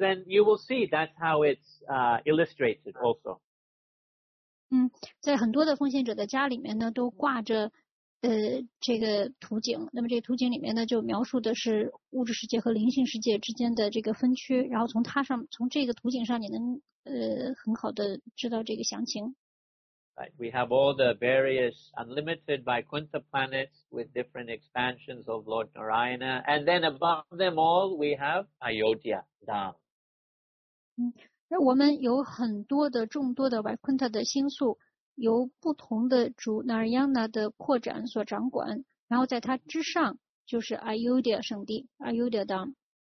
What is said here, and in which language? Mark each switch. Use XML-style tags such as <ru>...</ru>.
<en>And you will see that's how it's illustrated also.</en> <zh>在很多的奉献者的家里面呢，都挂着这个图景。那么这个图景里面呢，就描述的是物质世界和灵性世界之间的这个分区。然后从这个图景上，你能很好的知道这个详情。</zh> <en>Right. We have all the various unlimited Vaikuntha planets with different expansions of Lord Narayana. And then above them all, we have Ayodhya Dham.</en> <zh>那我们有很多的众多的 Vaikuntha 的星宿，由不同的主 Narayana 的扩展所掌管，然后在它之上就是 Ayodhya 圣地 Ayodhya Dham.</zh>